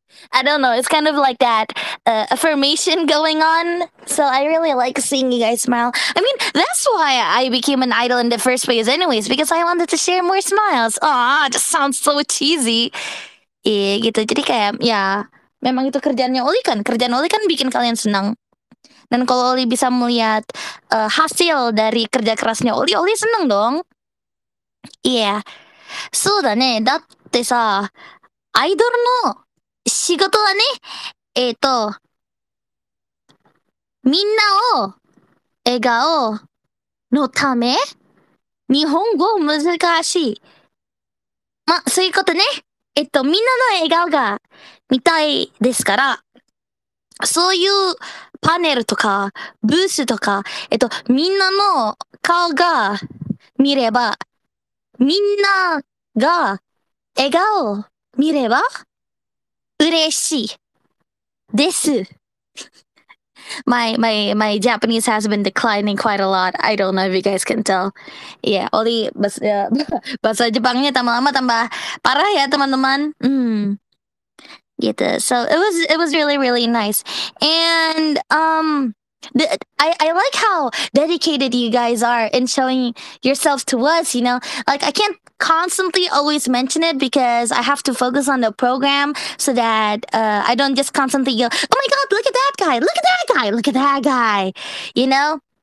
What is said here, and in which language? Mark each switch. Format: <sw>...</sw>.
<en>I don't know, it's kind of like that affirmation going on. So I really like seeing you guys smile. I mean, that's why I became an idol in the first place anyways, because I wanted to share more smiles. Aw, it just sounds so cheesy.</en> <id>Yeah, gitu, jadi kayak, ya memang itu kerjaannya Oli kan? Kerjaan Oli kan bikin kalian senang. Dan kalau Oli bisa melihat hasil dari kerja kerasnya Oli, Oli senang dong.</id> <en>Yeah. So,</en> <ja>ne, datte sa, idol no 仕事はね、みんなを笑顔のため、日本語難しい。ま、そういうことね。みんなの笑顔が見たいですから、そういうパネルとかブースとか、みんなの顔が見れば、みんなが笑顔を見れば、嬉しいです。</ja> <en>my Japanese has been declining quite a lot. I don't know if you guys can tell.</en> <id>Yeah, Oli, bahasa Jepangnya tambah lama tambah parah ya teman-teman.</id> <en>Gitu. So it was really really nice. And I like how dedicated you guys are in showing yourselves to us, you know. Like, I can't constantly always mention it because I have to focus on the program so that I don't just constantly go, oh my god, look at that guy, look at that guy, look at that guy, you know.</en>